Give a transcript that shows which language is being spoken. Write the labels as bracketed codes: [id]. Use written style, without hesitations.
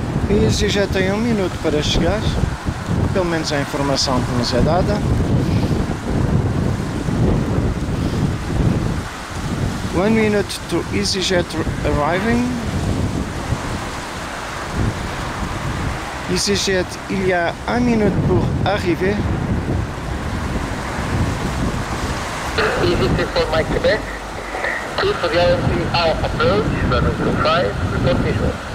[pt] EasyJet tem um minuto para chegar, pelo menos a informação que nos é dada. [en] One minute to EasyJet arriving. [fr] EasyJet, il y a un minute pour arriver. [en] EasyJet for Mike Quebec. Please for the approach,